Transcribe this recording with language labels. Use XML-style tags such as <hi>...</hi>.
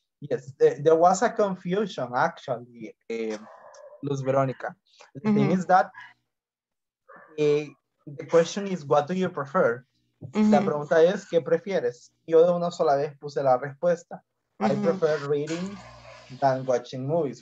<en>Yes, there was a confusion, actually, Luz Verónica. The mm-hmm. thing is that the question is, what do you prefer?</en> <es>Mm-hmm. La pregunta es, ¿qué prefieres? Yo de una sola vez puse la respuesta.</es> <en>Mm-hmm. I prefer reading than watching movies.</en>